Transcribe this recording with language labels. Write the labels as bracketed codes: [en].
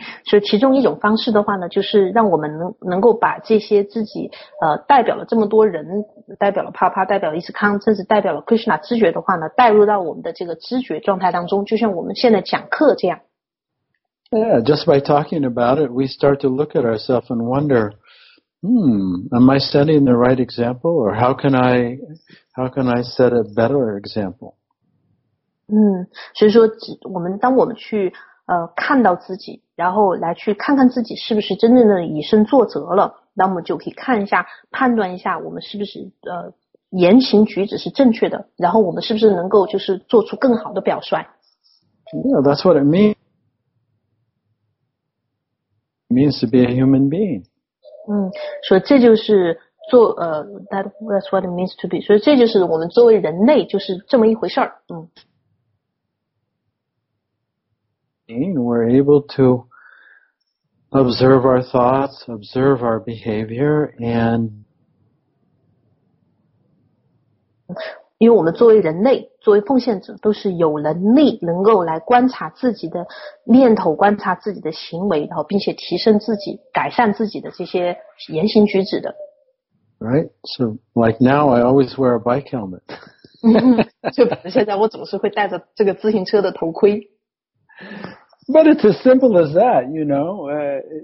[zh] 所以其中一种方式的话呢，就是让我们能够把这些自己代表了这么多人，代表了帕帕，代表了伊斯康，甚至代表了 Krishna 知觉的话呢，带入到我们的这个知觉状态当中，就像我们现在讲课这样。 [en] Yeah, just by talking about it, we start to look at ourselves and wonder, am I setting the right example, or how can I set a better example? [zh] 所以说我们去看到自己，然后来去看看自己是不是真正的以身作则了，那么就可以看一下，判断一下我们是不是言行举止是正确的，然后我们是不是能够就是做出更好的表率。 [en] Yeah, that's what it means. It means to be a human being. [zh] 所以这就是做 [en] that's what it means to be. [zh] 所以这就是我们作为人类就是这么一回事儿。 [en] We're able to observe our thoughts, observe our behavior, and [zh] 因为我们作为人类，作为奉献者，都是有能力能够来观察自己的念头，观察自己的行为，然后并且提升自己，改善自己的这些言行举止的。 [en] Right. So, like now, I always wear a bike helmet. [zh] 就比如现在，我总是会戴着这个自行车的头盔。 [en] But it's as simple as that, you know.